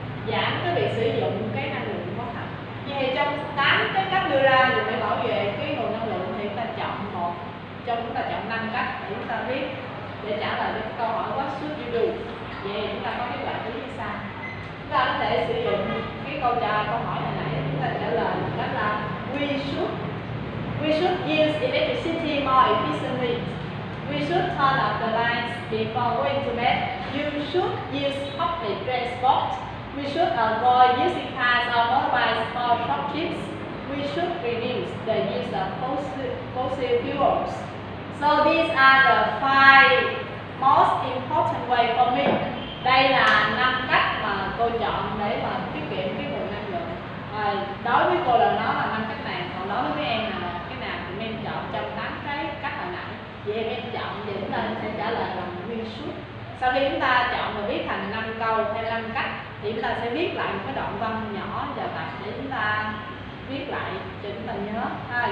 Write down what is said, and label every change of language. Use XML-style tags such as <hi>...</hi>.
<vi>Giảm cái việc sử dụng cái năng lượng hóa thạch. Vậy trong 8 cái cách đưa ra dùng để bảo vệ cái nguồn năng lượng thì chúng ta chọn một trong chúng ta chọn 5 cách để chúng ta biết để trả lời cho câu hỏi</vi> <en>what should you do.</en> <vi>Vậy chúng ta có kết quả như sau. Chúng ta có thể sử dụng cái câu hỏi hồi nãy chúng ta trả lời một cách là</vi> <en>We should use electricity more efficiently. We should turn off the lights before going to bed. You should use public transport. We should avoid using cars or motorbikes for short trips. We should reduce the use of fossil fuels. So these are the 5 most important ways for me.</en> <vi>Đây là 5 cách mà cô chọn để mà tiết kiệm cái nguồn năng lượng. À, đối với cô là nó là 5 cách này, còn đối với em là chọn trong 8 cái cách hồi nãy. Vậy em chọn thì chúng ta sẽ trả lời bằng</vi> <en>we should.</en> <vi>Sau khi chúng ta chọn và viết thành 5 câu hay 5 cách thì chúng ta sẽ viết lại một cái đoạn văn nhỏ vào tập để chúng ta viết lại cho chúng ta nhớ ha.</vi>